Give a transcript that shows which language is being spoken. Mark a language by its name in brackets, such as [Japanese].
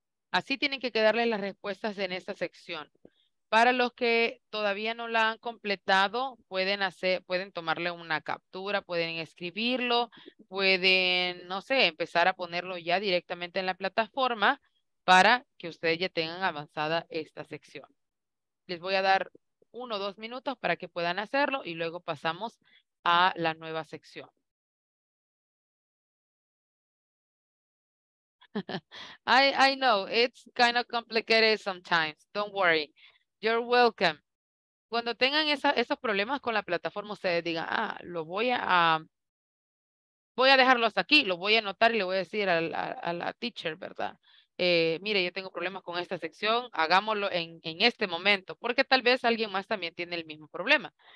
[Spanish] Así tienen que quedarles las respuestas en esta sección. Para los que todavía no la han completado, pueden tomarle una captura, pueden escribirlo, pueden, no sé, empezar a ponerlo ya directamente en la plataforma para que ustedes ya tengan avanzada esta sección. Les voy a dar 1 o 2 minutos para que puedan hacerlo y luego pasamos a la nueva sección. [English] I know, it's kind of complicated sometimes, don't worry. You're welcome. [Spanish] Cuando tengan esos problemas con la plataforma, ustedes digan, voy a dejarlo hasta aquí, lo voy a anotar y le voy a decir a la teacher, ¿verdad? Mire, yo tengo problemas con esta sección, hagámoslo en este momento, porque tal vez alguien más también tiene el mismo problema.